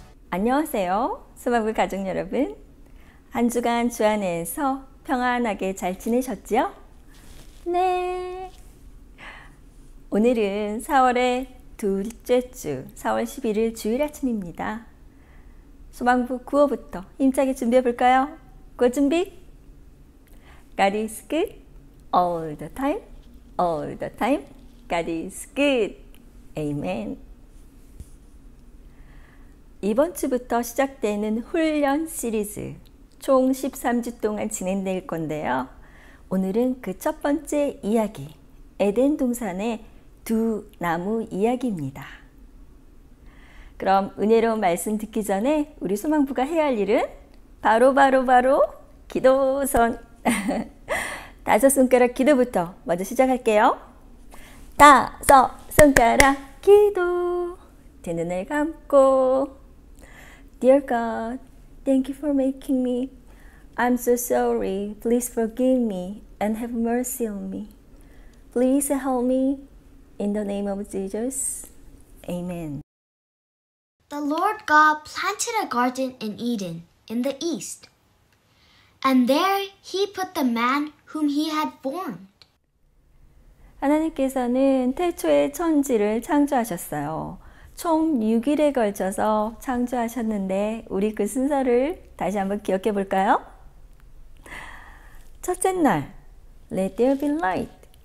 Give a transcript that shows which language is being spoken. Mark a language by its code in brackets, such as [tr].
[ko] 안녕하세요, 수마불 가족 여러분. 한 주간 주 안에서 평안하게 잘 지내셨지요? 네. 오늘은 4월의 둘째 주, 4월 11일 주일 아침입니다. 소망부 구호부터 힘차게 준비해 볼까요? 구호 준비. [en] God is good all the time, all the time. God is good. Amen. [ko] 이번 주부터 시작되는 훈련 시리즈 총 13주 동안 진행될 건데요. 오늘은 그 첫 번째 이야기, 에덴 동산의 두 나무 이야기입니다. 그럼 은혜로운 말씀 듣기 전에 우리 소망부가 해야 할 일은 바로 기도선 다섯 손가락 기도부터 먼저 시작할게요. 다섯 손가락 기도, 두 눈을 감고. [en] Dear God, thank you for making me. I'm so sorry. Please forgive me and have mercy on me. Please help me. In the name of Jesus. Amen. The Lord God planted a garden in Eden in the east. And there he put the man whom he had formed. [ko] 하나님께서는 태초에 천지를 창조하셨어요. 총 6일에 걸쳐서 창조하셨는데 우리 그 순서를 다시 한번 기억해 볼까요? 첫째 날, [en] Let there be light.